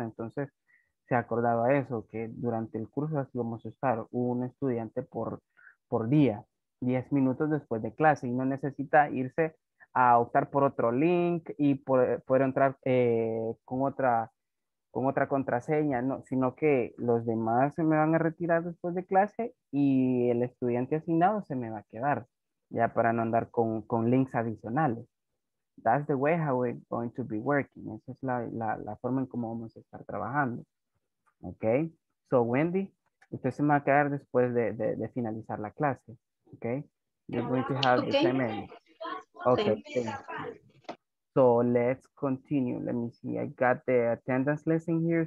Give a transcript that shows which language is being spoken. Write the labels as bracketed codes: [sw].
[es] Entonces, se ha acordado a eso, que durante el curso así vamos a estar un estudiante por día, 10 minutos después de clase, y no necesita irse a optar por otro link y poder entrar con otra contraseña, no, sino que los demás se me van a retirar después de clase y el estudiante asignado se me va a quedar, ya para no andar con links adicionales. [en] That's the way how we're going to be working. [es] Esa es la forma en cómo vamos a estar trabajando. [en] Ok, so Wendy, [es] usted se me va a quedar después de finalizar la clase. [en] Ok, you're going to have the same end. Okay, so let's continue. Let me see. I got the attendance list in here.